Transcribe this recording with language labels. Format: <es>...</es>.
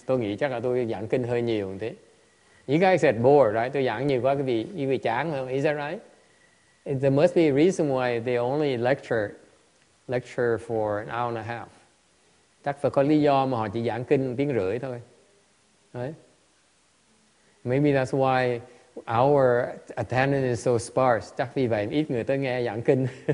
<vi>Tôi nghĩ chắc là tôi giảng kinh hơi nhiều thế.</vi> <en>You guys get bored, right?</en> <vi>Tôi giảng nhiều quá cái vì chán.</vi> <en>Is that right? There must be a reason why they only lecture for an hour and a half.</en> <vi>Chắc phải có lý do mà họ chỉ giảng kinh tiếng rưỡi thôi.</vi> <en>Right? Maybe that's why our attendance is so sparse.</en> <vi>Chắc vì vậy ít người tới nghe giảng kinh.</vi>